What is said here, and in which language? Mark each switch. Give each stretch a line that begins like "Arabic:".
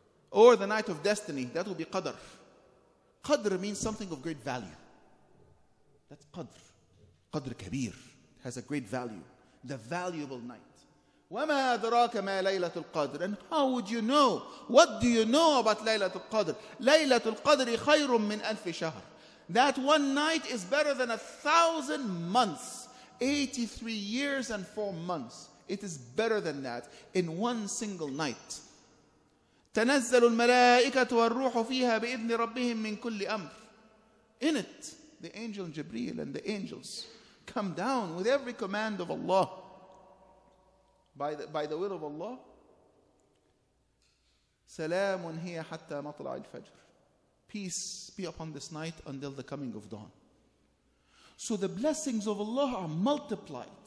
English: Or the night of destiny. That would be Qadr. Qadr means something of great value. That's Qadr. Qadr Kabir has a great value. The valuable night.
Arabic: وَمَا أَدْرَاكَ مَا لَيْلَةُ الْقَدْرِ.
English: And how would you know? What do you know about Laylatul Qadr?
Arabic: Laylatul Qadr خَيْرٌ مِّنْ أَلْفِ شَهْرٍ.
English: That one night is better than 1,000 months. 83 years and 4 months. It is better than that in one single night.
Arabic: تنزل الملائكة والروح فيها بإذن ربهم من كل أمر.
English: In it, the angel Jibreel and the angels come down with every command of Allah. By the will of Allah.
Arabic: سلام هي حتى مطلع الفجر.
English: Peace be upon this night until the coming of dawn. So the blessings of Allah are multiplied.